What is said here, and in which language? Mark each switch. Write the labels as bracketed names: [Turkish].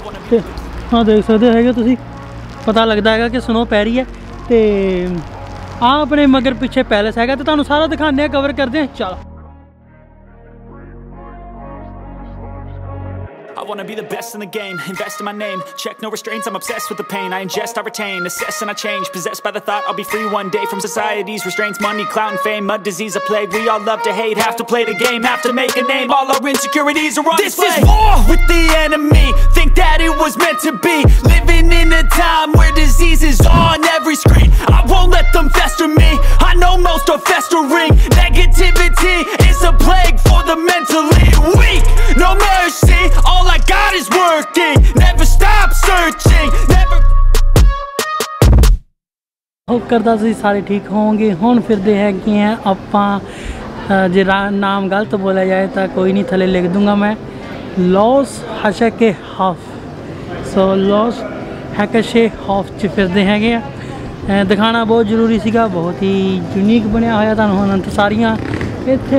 [Punjabi] ਅਤੇ ਹਾਂ ਦੇਖ ਸਕਦੇ ਹੈਗੇ ਤੁਸੀਂ, ਪਤਾ ਲੱਗਦਾ ਹੈਗਾ ਕਿ ਸਨੋਅ ਪੈ ਰਹੀ ਹੈ। ਅਤੇ ਆਹ ਆਪਣੇ ਮਗਰ ਪਿੱਛੇ ਪੈਲਸ ਹੈਗਾ ਅਤੇ ਤੁਹਾਨੂੰ ਸਾਰਾ ਦਿਖਾਉਂਦੇ ਹਾਂ, ਕਵਰ ਕਰਦੇ ਹਾਂ। [English] ਚਲੋ I wanna be the best in the game, invest in my name, check no restraints, I'm obsessed with the pain, I ingest, I retain, assess and I change, possessed by the thought I'll be free one day from society's restraints, money, clout and fame, a disease, a plague, we all love to hate, have to play the game, have to make a name, all our insecurities are on display. This is war with the enemy, think that it was meant to be, living in a time where disease is on every screen, I won't let them fester me, I know most are festering, negativity is a plague for the mentally weak, no mercy, all like God is working, never stop searching, never [Punjabi] ਹੋ ਕਰਦਾ ਸੀ ਸਾਰੇ ਠੀਕ ਹੋਵੋਗੇ। ਹੁਣ ਫਿਰਦੇ ਹੈਗੇ ਹਾਂ ਆਪਾਂ, ਜੇ ਨਾਮ ਗਲਤ ਬੋਲਿਆ ਜਾਏ ਤਾਂ ਕੋਈ ਨਹੀਂ, ਥੱਲੇ ਲਿਖ ਦੂੰਗਾ ਮੈਂ, ਲੋਸ ਹਸ਼ਕੇ ਹਫ, ਸੋ ਲੋਸ ਹੈਕਸ਼ੇ ਹਫ 'ਚ ਫਿਰਦੇ ਹੈਗੇ ਹਾਂ। ਦਿਖਾਉਣਾ ਬਹੁਤ ਜ਼ਰੂਰੀ ਸੀਗਾ, ਬਹੁਤ ਹੀ ਯੂਨੀਕ ਬਣਿਆ ਹੋਇਆ ਤੁਹਾਨੂੰ ਅਨੰਤ ਸਾਰੀਆਂ ਇੱਥੇ।